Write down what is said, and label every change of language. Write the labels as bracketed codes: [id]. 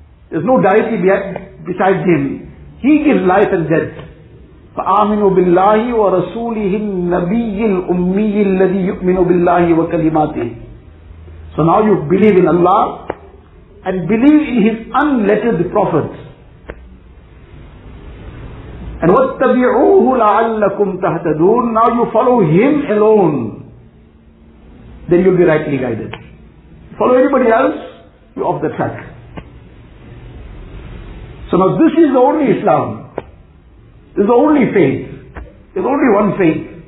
[en] There's no deity besides Him. He gives life and death. [ar] فَآمِنُوا بِاللَّهِ وَرَسُولِهِ النَّبِيِّ الْأُمِّيِّ الَّذِي يُؤْمِنُ بِاللَّهِ وَكَلِمَاتِهِ. [en] So now you believe in Allah and believe in His unlettered prophets. [ar] And وَاتَّبِعُوهُ لَعَلَّكُمْ تَهْتَدُونَ. [en] Now you follow Him alone. Then you'll be rightly guided. Follow anybody else, you're off the track. So now this is the only Islam. There's only faith. There's only one faith.